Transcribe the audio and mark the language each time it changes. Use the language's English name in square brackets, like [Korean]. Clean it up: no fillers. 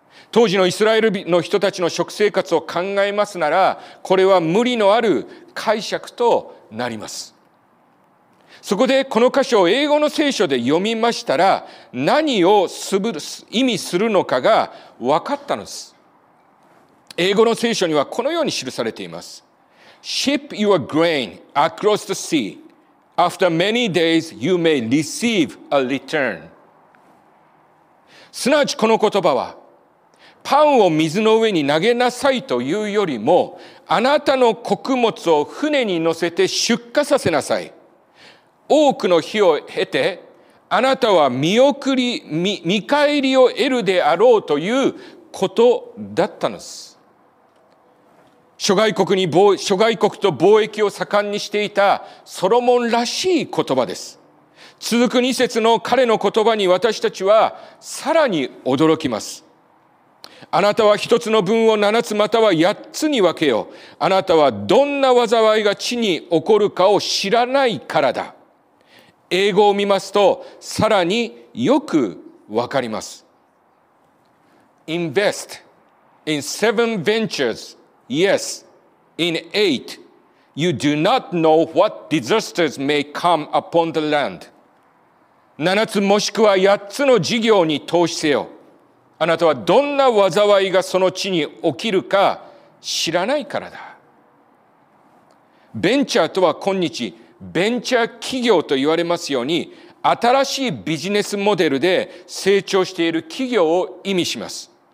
[Japanese] 当時のイスラエルの人たちの食生活を考えますなら、これは無理のある解釈となります。そこでこの箇所を英語の聖書で読みましたら、何を意味するのかが分かったのです。英語の聖書にはこのように記されています。 [English] Ship your grain across the sea. After many days you may receive a return. [Japanese] すなわちこの言葉は、パンを水の上に投げなさいというよりも、あなたの穀物を船に乗せて出荷させなさい、多くの日を経てあなたは見返りを得るであろうということだったのです。諸外国と貿易を盛んにしていたソロモンらしい言葉です。続く2節の彼の言葉に私たちはさらに驚きます。あなたは一つの分を7つまたは8つに分けよ、あなたはどんな災いが地に起こるかを知らないからだ。英語を見ますとさらによくわかります。 [English] Invest in seven ventures. Yes, in eight you do not know what disasters may come upon the land. [Japanese] 7つもしくは8つの事業に投資せよ、あなたはどんな災いがその地に起きるか知らないからだ。ベンチャーとは今日ベンチャー企業と言われますように、新しいビジネスモデルで成長している企業を意味します。